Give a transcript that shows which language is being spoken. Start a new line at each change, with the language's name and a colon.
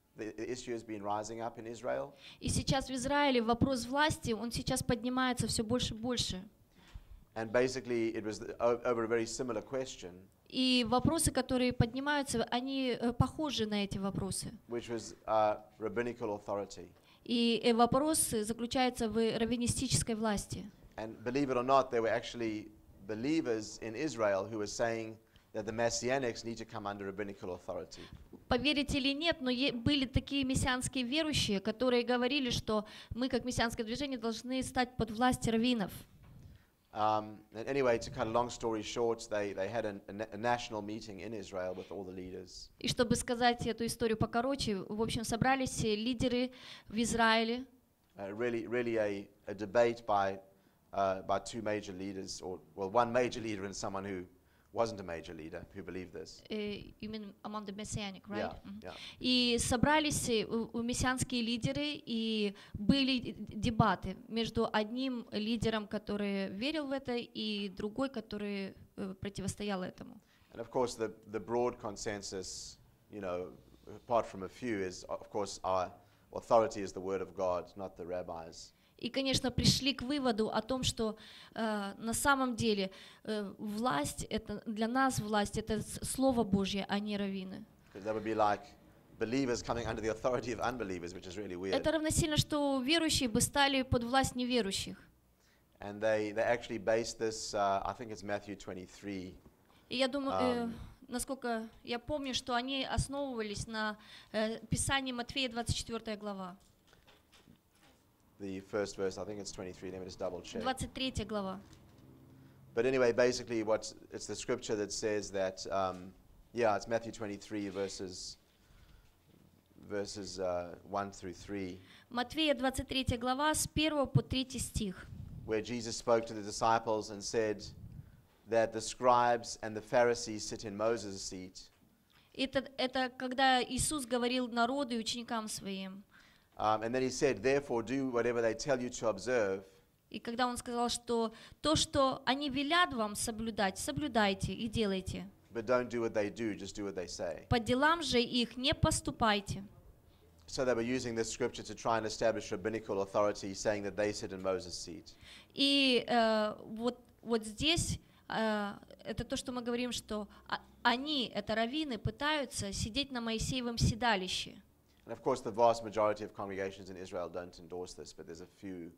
English: The issue has been rising up in Israel.
Russian: И сейчас в Израиле вопрос власти, он сейчас поднимается все больше и больше.
English: And basically, it was over a very similar question.
Russian: И вопросы, которые поднимаются, они похожи на эти вопросы.
English: Which was rabbinical authority.
Russian: И вопрос заключается в раввинистической власти.
English: And believe it or not, there were actually believers in Israel who were saying that the messianics need to come under rabbinical authority.
Russian: Поверите или нет, но были такие мессианские верующие, которые говорили, что мы как мессианское движение должны стать под властью раввинов.
English: And anyway, to cut a long story short, they had a national meeting in Israel with all the leaders.
Russian: И чтобы сказать эту историю покороче, в общем, собрались все лидеры в Израиле.
English: Really a debate by two major leaders, or well, one major leader and someone who wasn't a major leader who believed this. You mean among the messianic, right? Yeah. Mm-hmm. Yeah.
Russian: И собрались у мессианские лидеры и были дебаты между одним лидером, который верил в это, и другой, который противостоял этому.
English: And of course the broad consensus, you know, apart from a few, is of course our authority is the word of God, not the rabbis.
Russian: И, конечно, пришли к выводу о том, что на самом деле власть, это для нас власть, это Слово Божье, а не раввины. Это равносильно, что верующие бы стали под власть неверующих.
English: And they actually based this, I think it's Matthew 23.
Russian: И я думаю, насколько я помню, что они основывались на Писании Матфея 24 глава.
English: The first verse, I think it's 23. Let me just double check.
Russian: 23 глава.
English: But anyway, basically, it's the scripture that says that, it's Matthew 23 verses 1-3.
Russian: Матфея 23 глава с 1 по 3 стих.
English: Where Jesus spoke to the disciples and said that the scribes and the Pharisees sit in Moses' seat.
Russian: Это когда Иисус говорил народу и ученикам своим.
English: And then he said, "Therefore, do whatever they tell you to observe."
Russian: И когда он сказал, что то, что они велят вам соблюдать, соблюдайте и делайте.
English: But don't do what they do; just do what they say.
Russian: По делам же их не поступайте.
English: So they were using this scripture to try and establish rabbinical authority, saying that they sit in Moses' seat.
Russian: И вот здесь это то, что мы говорим, что они, это раввины, пытаются сидеть на Моисеевом седалище.
English: And of course, the vast majority of congregations in Israel don't endorse this, but there's a few.